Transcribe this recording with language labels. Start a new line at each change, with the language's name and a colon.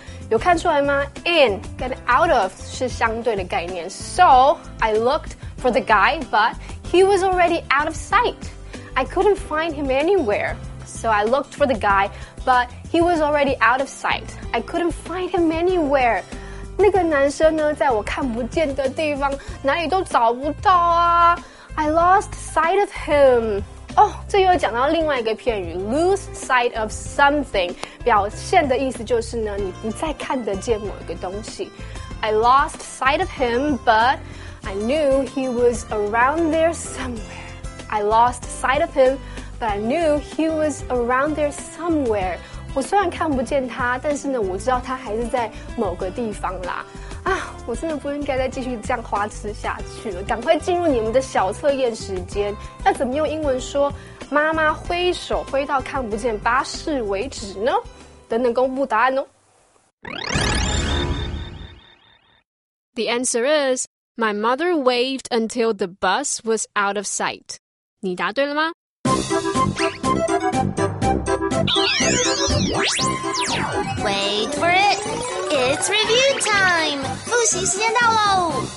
Chinese: 有看出来吗 ？In 跟 out of 是相对的概念。
English: So I looked for the guy, but he was already out of sight. I couldn't find him anywhere. So I looked for the guy, but he was already out of sight. I couldn't find him anywhere.
Chinese: 那个男生呢，在我看不见的地方，哪里都找不到啊。
English: I lost sight of him.
Chinese: 哦，这又讲到另外一个片语 lose sight of something， 表现的意思就是呢，你不再看得见某一个东西。
English: I lost sight of him, but I knew he was around there somewhere. I lost sight of him, but I knew he was around there somewhere.
Chinese: 我虽然看不见他，但是呢，我知道他还是在某个地方啦。啊，我真的不应该再继续这样花痴下去了，赶快进入你们的小测验时间。那怎么用英文说妈妈挥手挥到看不见巴士为止呢？等等公布答案哦。
English: The answer is, my mother waved until the bus was out of sight.
Chinese: 你答对了吗？
English: Wait for it. It's review time.
Chinese: 复习时间到喽。